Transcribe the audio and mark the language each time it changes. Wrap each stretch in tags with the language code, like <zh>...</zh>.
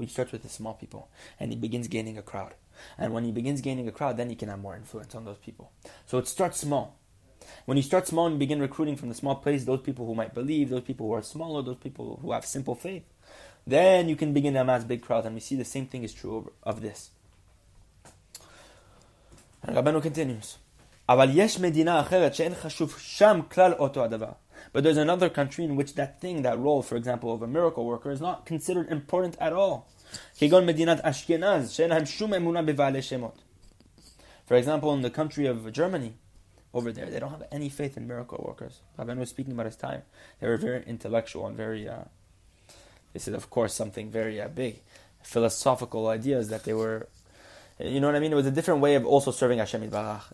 <en>He starts with the small people, and he begins gaining a crowd. And when he begins gaining a crowd, then he can have more influence on those people. So it starts small. When you start small and begin recruiting from the small place, those people who might believe, those people who are smaller, those people who have simple faith, Then you can begin Amaz big crowd, and we see the same thing is true of this. And Rabbeinu continues.</en> <he>אבל יש מדינה אחרת שאין חשוב שם כלל אותו הדבר.</he> <en>But there's another country in which that thing, that role, for example, of a miracle worker, is not considered important at all.</en> <he>כגון מדינת אשכנז, שאין להם שום אמונה בבעלי שמות.</he> <en>For example, in the country of Germany, over there, they don't have any faith in miracle workers. Rabbeinu was speaking about his time. They were very intellectual and very, this is of course something very big, philosophical ideas that they were, you know what I mean? It was a different way of also serving Hashem Yitbarach.</en>